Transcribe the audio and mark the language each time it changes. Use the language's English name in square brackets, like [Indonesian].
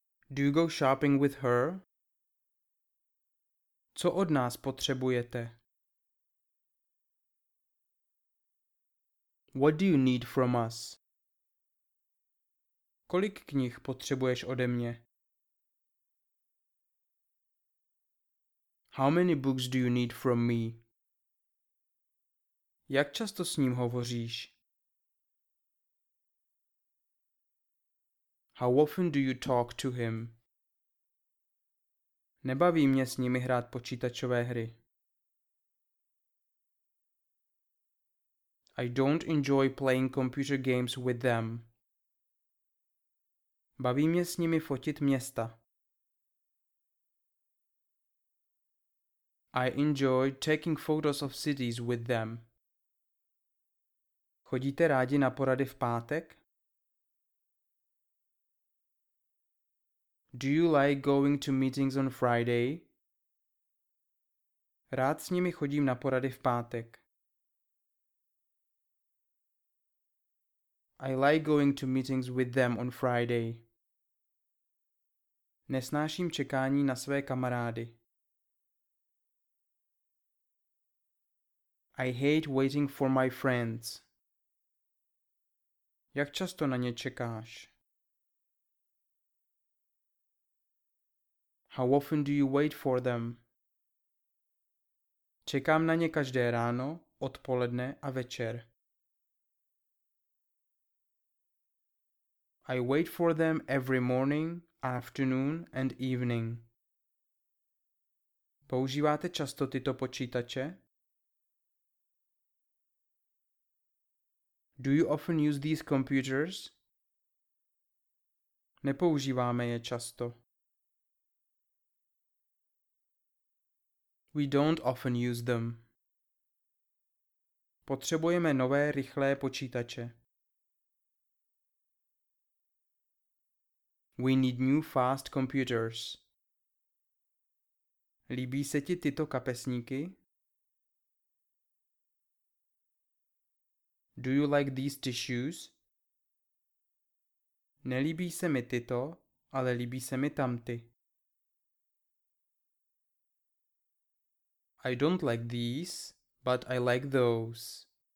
[English] Do you go shopping with her? [Czech] Co od nás potřebujete? [English] What do you need from us? [Czech] Kolik knih potřebuješ ode mě? [English] How many books do you need from me? [Czech] Jak často s ním hovoříš? [English] How often do you talk to him? [Czech] Nebaví mě s nimi hrát počítačové hry. [English] I don't enjoy playing computer games with them. [Czech] Baví mě s nimi fotit města. [English] I enjoy taking photos of cities with them. [Czech] Chodíte rádi na porady v pátek? [English] Do you like going to meetings on Friday? [Czech] Rád s nimi chodím na porady v pátek. [English] I like going to meetings with them on Friday. [Czech] Nesnáším čekání na své kamarády. [English] I hate waiting for my friends. [Czech] Jak často na ně čekáš? [English] How often do you wait for them? [Czech] Čekám na ně každé ráno, odpoledne a večer. [English] I wait for them every morning, afternoon and evening. [Czech] Používáte často tyto počítače? [English] Do you often use these computers? [Czech] Nepoužíváme je často. [English] We don't often use them. [Czech] Potřebujeme nové rychlé počítače. [English] We need new fast computers. [Czech] Líbí se ti tyto kapesníky? [English] Do you like these tissues? [Czech] Nelíbí se mi tyto, ale líbí se mi tamty. [English] I don't like these, but I like those.